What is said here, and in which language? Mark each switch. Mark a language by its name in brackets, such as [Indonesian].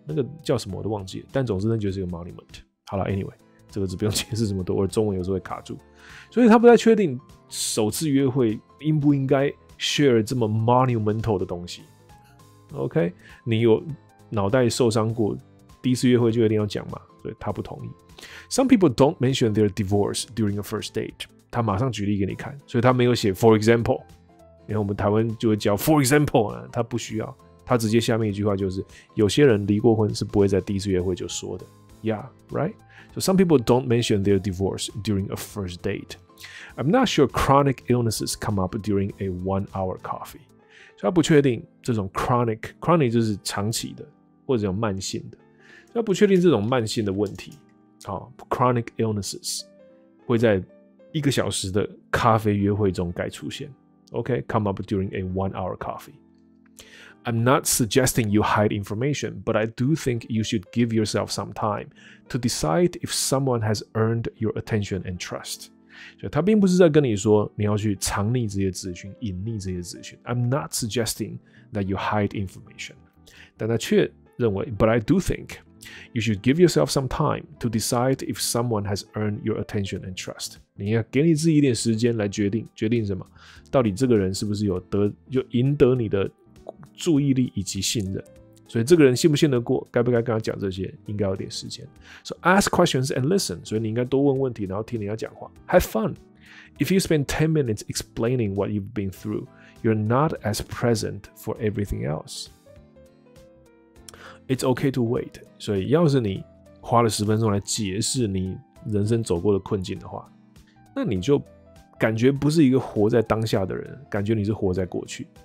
[Chinese] 那个叫什么我都忘记了，但总之那就是一个 monument。好了 ，anyway， 这个字不用解释这么多，我中文有时候会卡住，所以他不太确定首次约会。应不应该 share 这么 monumental 的东西 ？OK， 你有脑袋受伤过？第一次约会就一定要讲嘛？所以他不同意。 [English] Some people don't mention their divorce during a first date。 [Chinese] 他马上举例给你看，所以他没有写 [English] for example。 [Chinese] 因为我们台湾就会教 [English] for example [Chinese] 啊，他不需要，他直接下面一句话就是：有些人离过婚是不会在第一次约会就说的。 [English] Yeah， right。 So some people don't mention their divorce during a first date。 I'm not sure chronic illnesses come up during a one-hour coffee. [Chinese] 所以他不确定这种 chronic 就是长期的或者有慢性的，所以他不确定这种慢性的问题、哦、 [English] chronic illnesses [Chinese] 会在一个小时的咖啡约会中该出现。 [English] OK, come up during a one-hour coffee. I'm not suggesting you hide information, but I do think you should give yourself some time to decide if someone has earned your attention and trust. [Chinese] 所以他并不是在跟你说你要去藏匿这些资讯、隐匿这些资讯。 [English] I'm not suggesting that you hide information， [Chinese] 但他却认为 [English] ，But I do think you should give yourself some time to decide if someone has earned your attention and trust。 [Chinese] 你要给你自己一点时间来决定什么？到底这个人是不是有赢得你的注意力以及信任？所以这个人信不信得过，该不该跟他讲这些，应该有点时间。 [English] So ask questions and listen. [Chinese] 所以你应该多问问题，然后听人家讲话。 [English] Have fun. If you spend 10 minutes explaining what you've been through, you're not as present for everything else. It's okay to wait. [Chinese] 所以要是你花了十分钟来解释你人生走过的困境的话，那你就感觉不是一个活在当下的人，感觉你是活在过去。